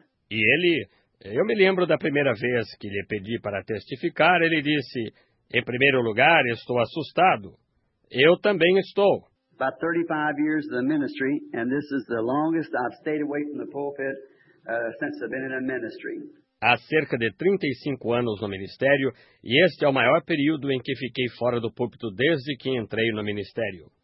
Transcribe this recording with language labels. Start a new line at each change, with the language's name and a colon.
Portuguese: E ele, eu me lembro da primeira vez que lhe pedi para testificar, ele disse, em primeiro lugar, estou assustado. Eu também estou.
English: About 35 years of the ministry, and this is the longest I've stayed away from the pulpit since I've been in a ministry.
Portuguese: Há cerca de 35 anos no ministério, e este é o maior período em que fiquei fora do púlpito desde que entrei no ministério.